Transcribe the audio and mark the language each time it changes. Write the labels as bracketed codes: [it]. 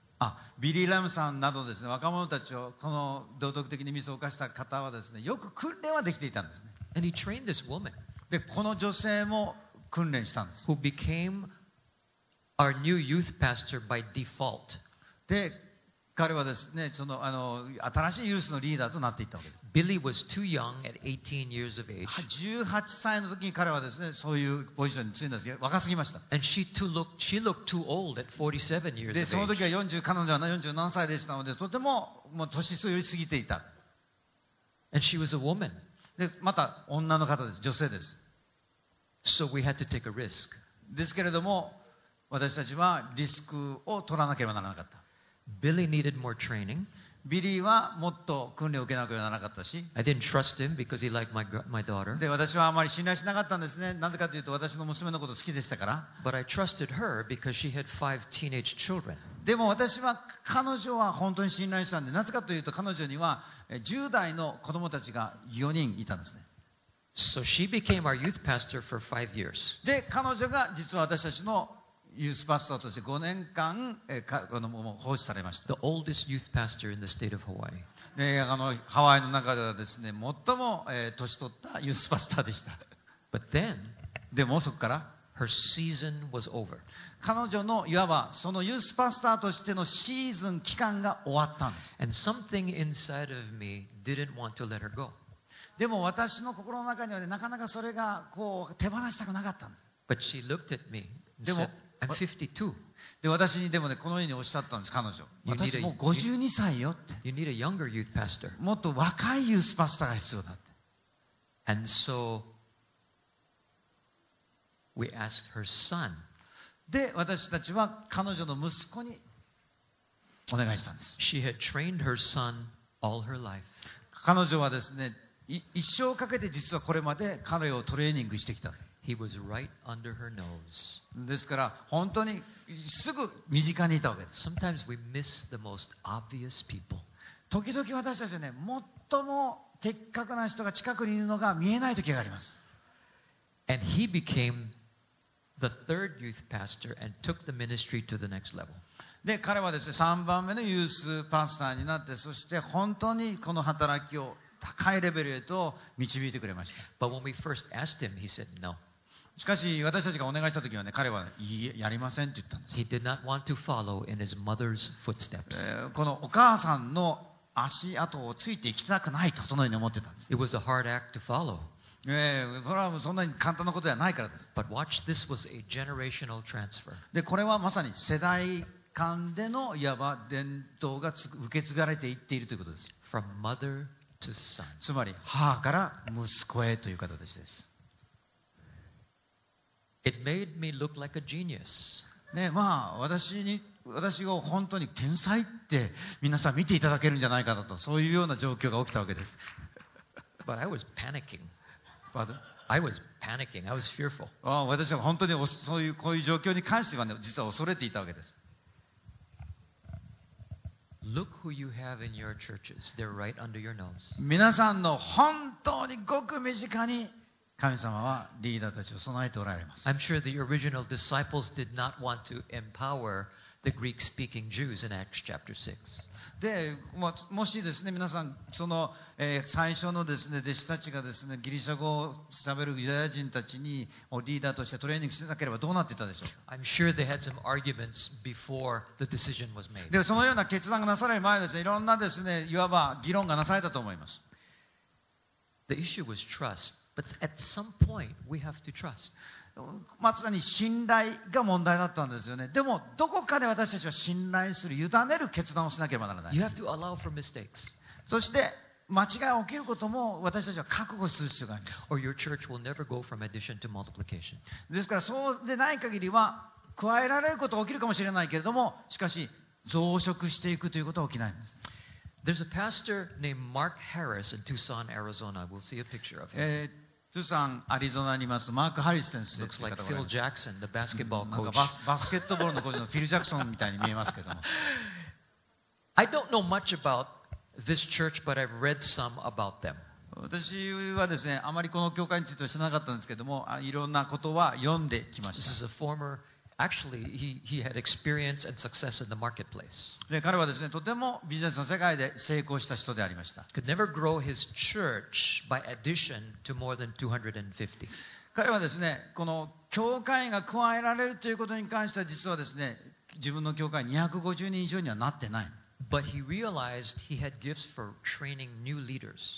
[ja] あ、ビリー・ラムさんなどですね、若者たちをこの道徳的にミスを犯した方はですね、よく訓練はできていたんですね。 [en] And he trained this woman. [ja] で、この女性も訓練したんです。 [en] Who became our new youth pastor by default. [ja] で、彼はですね、あの新しいユースのリーダーとなっていったわけです。 [en] Billy was too young at 18 years of age. [ja] 18歳の時に彼はですね、そういうポジションに就いたんですけど、若すぎました。 [en] And she looked too old at 47 years of age. [ja] で、その時は47歳でしたので、とても、もう年数より過ぎていた。 [en] And she was a woman. [ja] で、また女の方です、女性です。 [en] So we had to take a risk. [ja] ですけれども、私たちはリスクを取らなければならなかった。 [en] Billy needed more training. [ja] ビリーはもっと訓練を受けなければならなかったし、 [en] I didn't trust him because he liked my daughter. [ja] で、私はあまり信頼しなかったんですね。なぜかというと私の娘のこと好きでしたから。 [en] But I trusted her because she had five teenage children. [ja] でも私は彼女は本当に信頼したんで、なぜかというと彼女には10代の子供たちが4人いたんですね。 [en] So she became our youth pastor for five years. [ja] で、彼女が実は私たちのユースパスターとして5年間奉仕されました。 [en] The oldest youth pastor in the state of Hawaii. [ja] で、ハワイの中ではですね、最も年取ったユースパスターでした。 [en] But then, [ja] でもそこから、 [en] her season was over. [ja] 彼女のいわばそのユースパスターとしてのシーズン期間が終わったんです。 [en] And something inside of me didn't want to let her go. [ja] でも私の心の中には、ね、なかなかそれがこう手放したくなかったんです。 [en] But she looked at me and said,I'm 52. [ja] で、私にでもね、このようにおっしゃったんです、彼女。私もう52歳よって。 [en] You need a younger youth pastor. [ja] もっと若いユースパスターが必要だって。 [en] And so, we asked her son. [ja] で、私たちは彼女の息子にお願いしたんです。 [en] She had trained her son all her life. [ja] 彼女はですね、一生かけて実はこれまで彼をトレーニングしてきた。 [en] He was right under her nose. [ja] ですから本当にすぐ身近にいたわけです。 [en] Sometimes we miss the most obvious people. [ja] 時々私たちはね、最も的確な人が近くにいるのが見えない時があります。 [en] And he became the third youth pastor and took the ministry to the next level. [ja] で、彼はですね、3番目のユースパスターになって、そして本当にこの働きを高いレベルへと導いてくれました。 [en] But when we first asked him, he said no. [ja] しかし私たちがお願いした時はね、彼はいいやりませんと言ったんです。 [en] He did not want to follow in his mother's footsteps. [ja] このお母さんの足跡をついていきたくないとそのように思ってたんです。 [en] It was a hard act to follow. [ja] それはそんなに簡単なことではないからです。 [en] But watch, this was a generational transfer. [ja] で、これはまさに世代間でのいわば伝統が受け継がれていっているということです。 [en] From motherTo son. [ja] つまり母から息子へという形です。 [en] It made me look like a genius. [ja] ね、まあ私を本当に天才って皆さん見ていただけるんじゃないかなと、そういうような状況が起きたわけです。 [en] But I was panicking. Father? I was panicking. I was fearful. [ja] ああ、私は本当にそういうこういう状況に関してはね、実は恐れていたわけです。 [en] Look who you have in your churches. They're right under your nose. [ja] 皆さんの本当にごく身近に神様はリーダーたちを備えておられます。 [en] I'm sure the original disciples did not want to empower the Greek-speaking Jews in Acts chapter 6. [ja] で、もしですね、皆さんその、最初のですね、弟子たちがですね、ギリシャ語を喋るユダヤ人たちにリーダーとしてトレーニングしてなければどうなっていたでしょう。 [en] I'm sure they had some arguments before the decision was made. [ja] で、そのような決断がなされる前ですね、いろんなですね、いわば議論がなされたと思います。 [en] The issue was trust, but at some point we have to trust. [ja] まさに信頼が問題だったんですよね。でもどこかで私たちは信頼する、委ねる決断をしなければならない。 [en] You have to allow for mistakes. [ja] そして間違いが起きることも私たちは覚悟する必要があります。 [en] Or your church will never go from addition to multiplication. [ja] ですからそうでない限りは加えられることが起きるかもしれないけれども、しかし増殖していくということは起きないんです。 [en] There's a pastor named Mark Harris in Tucson, Arizona. We'll see a picture of him. [ja] トゥサン、アリゾナにいます、マーク・ハリス先生という方がいます。なんかバスケットボールのコーチのフィル・ジャクソンみたいに見えますけども。 [en] I don't know much about this church, but I've read some about them. [ja] 私はですね、あまりこの教会については知らなかったんですけども、いろんなことは読んできました。 [en] This is a former, actually, he had experience and success in the marketplace. [ja] 彼はですね、とてもビジネスの世界で成功した人でありました。 [en] Could never grow his church by addition to more than 250. [ja] 彼はですね、この教会が加えられるということに関しては実はですね、自分の教会250人以上にはなってない。 [en] But he realized he had gifts for training new leaders.